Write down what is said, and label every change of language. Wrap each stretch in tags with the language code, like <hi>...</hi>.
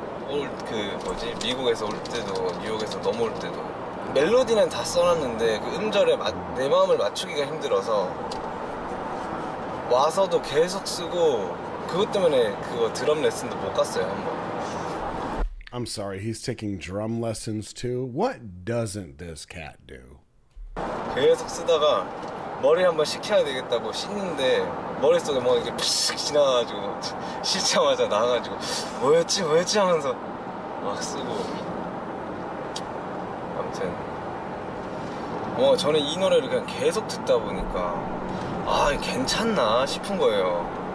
<ko>올 그 뭐지 미국에서 올 때도 뉴욕에서 넘어올 때도 멜로디는 다 써놨는데 그 음절에 내 마음을 맞추기가 힘들어서 와서도 계속 쓰고 그것 때문에 그거 드럼 레슨도 못 갔어요 한 번.</ko> <en>I'm sorry, he's taking drum lessons too. What doesn't this cat do?</en> <ko>계속 쓰다가 머리 한번 식혀야 되겠다고 씻는데 머릿속에 뭔가 이렇게 푸슥 지나가지고 씻자마자 나가지고 뭐였지 뭐였지 하면서 막 쓰고 아무튼 뭐 저는 이 노래를 그냥 계속 듣다 보니까 아 괜찮나 싶은 거예요.</ko>